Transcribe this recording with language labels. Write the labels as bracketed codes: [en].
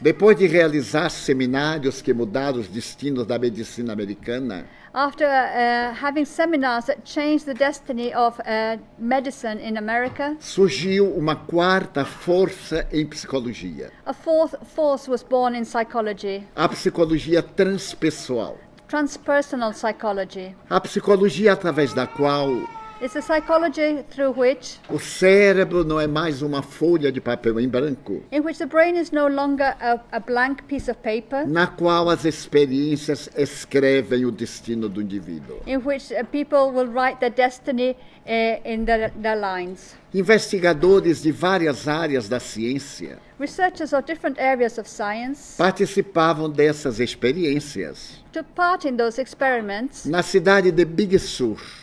[pt] depois de realizar seminários que mudaram os destinos da medicina americana, [en] after having seminars that changed the destiny of medicine in America, [pt] surgiu uma quarta força em psicologia. [en] A fourth force was born in psychology. [pt] A psicologia transpessoal. [en] Transpersonal psychology. [pt] A psicologia através da qual [en] it's a psychology through which [pt] o cérebro não é mais uma folha de papel em branco, [en] in which the brain is no longer a blank piece of paper, [pt] na qual as experiências escrevem o destino do indivíduo, [en] in which people will write their destiny in their lines. [pt] Investigadores de várias áreas da ciência, [en] researchers of different areas of science, [pt] participavam dessas experiências, [en] took part in those experiments, [pt] na cidade de Big Sur,